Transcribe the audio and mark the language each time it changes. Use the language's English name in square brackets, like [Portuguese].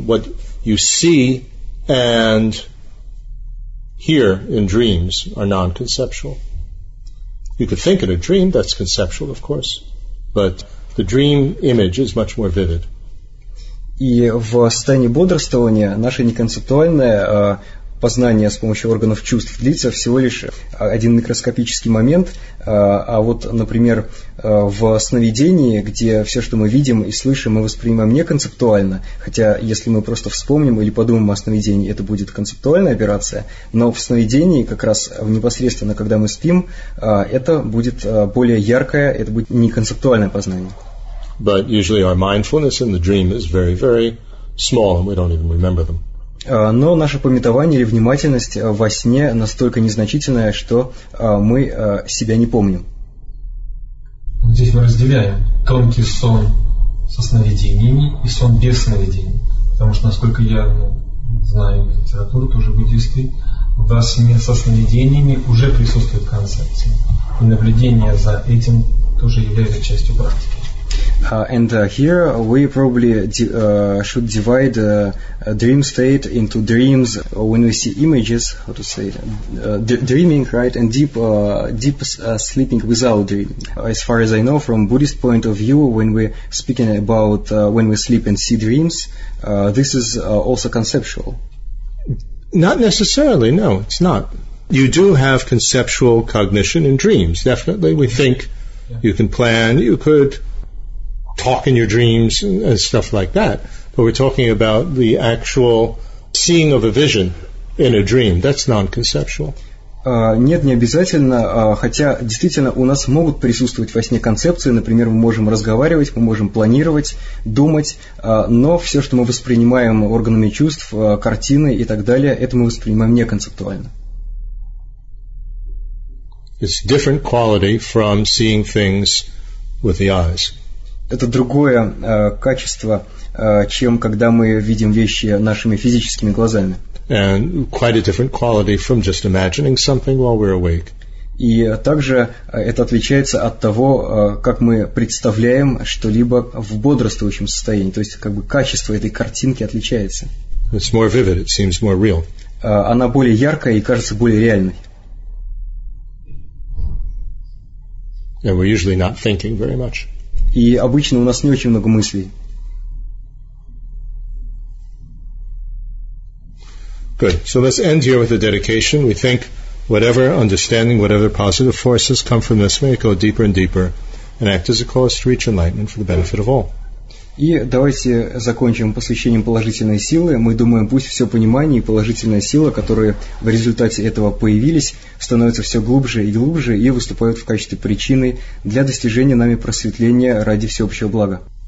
[English] What you see and hear in dreams are non-conceptual. You could think in a dream, that's conceptual, of course, but the dream image is much more vivid. [Russian] И в состоянии бодрствования наше неконцептуальное познание с помощью органов чувств длится всего лишь один микроскопический момент, а вот, например, в сновидении, где все, что мы видим и слышим, мы воспринимаем не концептуально, хотя если мы просто вспомним или подумаем о сновидении, это будет концептуальная операция, но в сновидении, как раз непосредственно, когда мы спим, это будет более яркое, это будет не концептуальное познание. [English] But usually our mindfulness in the dream is very, very small, and we don't even remember them. [Russian] Но наше памятование или внимательность во сне настолько незначительная, что мы себя не помним. Здесь мы разделяем тонкий сон со сновидениями и сон без сновидений. Потому что, насколько я знаю литературу, тоже буддийской, во сне со сновидениями уже присутствует концепция. И наблюдение за этим тоже является частью практики. [English] And here we probably should divide dream state into dreams when we see images, how to say, dreaming, right, and deep sleeping without dreaming. As far as I know, from Buddhist point of view, when we're speaking about when we sleep and see dreams, this is also conceptual. Not necessarily, no, it's not. You do have conceptual cognition in dreams, definitely. We think you can plan, you could talk in your dreams and stuff like that. But we're talking about the actual seeing of a vision in a dream. That's non-conceptual. [Russian] Нет, не обязательно, хотя действительно у нас могут присутствовать во сне концепции, например, мы можем разговаривать, мы можем планировать, думать, но все, что мы воспринимаем органами чувств, картины и так далее, это мы воспринимаем не концептуально. [English] It's different quality from seeing things with the eyes. [Russian] Это другое качество, чем когда мы видим вещи нашими физическими глазами. [English] And quite a different quality from just imagining something while we're awake. [Russian] И также это отличается от того, как мы представляем что-либо в бодрствующем состоянии. То есть как бы качество этой картинки отличается. [English] It's more vivid, it seems more real. [Russian] Она более яркая и кажется более реальной. [English] And we're usually not thinking very much. [Russian] И обычно у нас не очень много мыслей. [English] Good. So let's end here with a dedication. We think whatever understanding, whatever positive forces come from this, may it go deeper and deeper and act as a cause to reach enlightenment for the benefit of all. [Russian] И давайте закончим посвящением положительной силы. Мы думаем, пусть все понимание и положительная сила, которые в результате этого появились, становятся все глубже и глубже и выступают в качестве причины для достижения нами просветления ради всеобщего блага.